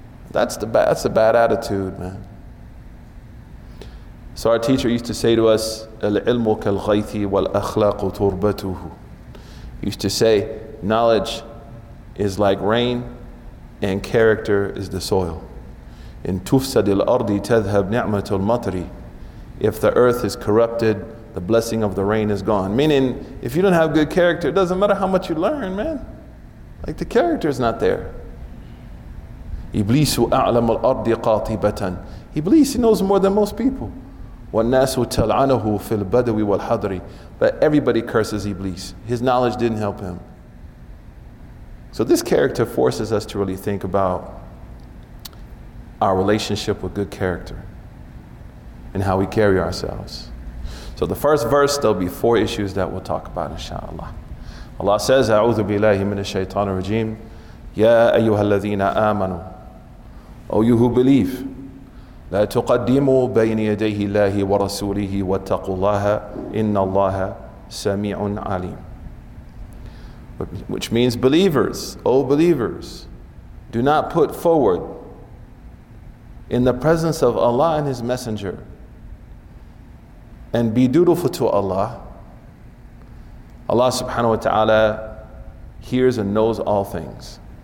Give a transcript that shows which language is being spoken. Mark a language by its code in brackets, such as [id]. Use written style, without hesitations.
[en] That's a bad attitude, man. So our teacher used to say to us, [ar] العلم كالغيث والأخلاق تربته. [en] He used to say, knowledge is like rain and character is the soil. [ar] إن تفسد الأرض تذهب نعمة المطر. [en] If the earth is corrupted, the blessing of the rain is gone. Meaning, if you don't have good character, it doesn't matter how much you learn, man. Like, the character is not there. [ar] إبليس أعلم الأرض قاطبة. [en] إبليس, he knows more than most people. [ar] وَالنَّاسُ تَلْعَنَهُ فِي الْبَدْوِ وَالْحَضْرِ. [en] But everybody curses Iblis. His knowledge didn't help him. So this character forces us to really think about our relationship with good character and how we carry ourselves. So the first verse, there'll be 4 issues that we'll talk about, inshallah. [ar] Allah says, أَعُوذُ بِاللَّهِ مِنَ الشَّيْطَانِ الرَّجِيمِ يَا أَيُّهَا الَّذِينَ آمَنُوا. [en] O you who believe, [ar] لا تقدموا بين يديه الله ورسوله واتقوا الله إن الله سميع عليم. [en] which means believers, O believers, do not put forward in the presence of Allah and His Messenger, and be dutiful to Allah. Allah subhanahu wa ta'ala hears and knows all things.